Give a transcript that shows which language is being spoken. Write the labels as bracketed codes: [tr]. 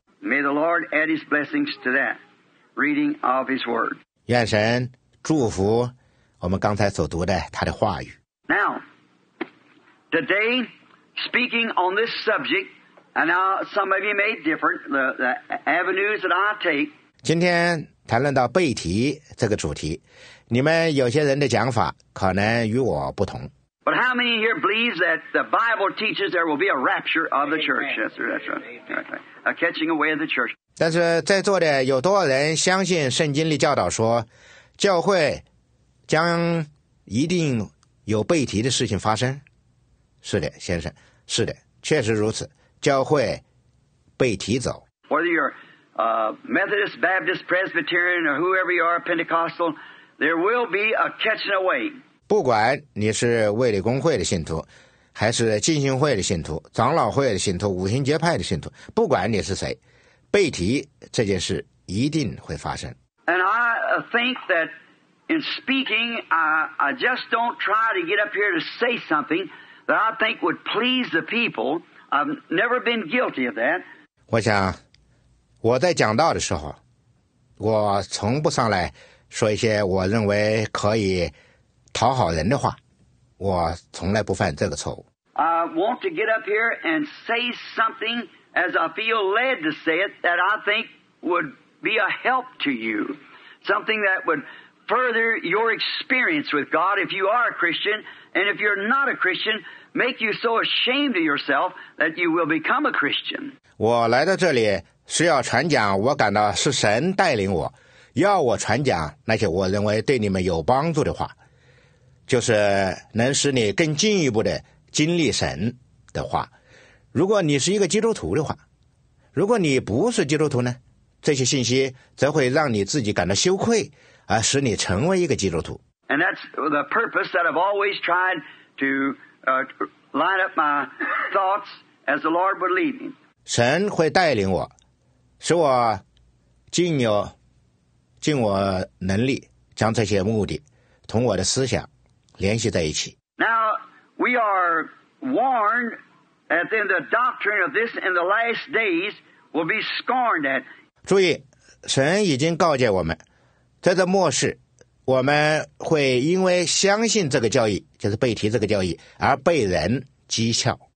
[en] May the Lord add his blessings to that reading of his word. [zh] 愿神祝福我们刚才所读的他的话语。 [en] Now, today, speaking on this subject, and now some of you may differ, the avenues that I take. [zh] 今天谈论到被提这个主题，你们有些人的讲法可能与我不同。 [en] But how many here believes that the Bible teaches there will be a rapture of the church? Amen. That's right. A catching away of the church. [zh] 但是在座的有多少人相信圣经里教导说，教会将一定有被提的事情发生？是的，先生，是的，确实如此，教会被提走。 [en] Whether you're Methodist, Baptist, Presbyterian, or whoever you are, Pentecostal, there will be a catching away. [zh] 不管你是卫理公会的信徒，还是浸信会的信徒、长老会的信徒、五旬节派的信徒，不管你是谁，被提这件事一定会发生。 [en] And I think that in speaking, I just don't try to get up here to say something that I think would please the people. I've never been guilty of that. [zh] 我想我在讲道的时候，我从不上来说一些我认为可以。讨好人的话，我从来不犯这个错误。 [en] I want to get up here and say something as I feel led to say it that I think would be a help to you, something that would further your experience with God if you are a Christian, and if you're not a Christian, make you so ashamed of yourself that you will become a Christian. [zh] 我来到这里是要传讲我感到是神带领我要我传讲那些我认为对你们有帮助的话就是能使你更进一步的经历神的话如果你是一个基督徒的话如果你不是基督徒呢这些信息则会让你自己感到羞愧而使你成为一个基督徒 [en] And that's the purpose that I've always tried to line up my thoughts as the Lord would lead me [zh] 神会带领我使我尽我能力将这些目的同我的思想联系在一起 [en] Now we are warned that then the doctrine of this in the last days will be scorned at [zh] 注意神已经告诫我们在这末世我们会因为相信这个教义就是被提这个教义而被人讥诮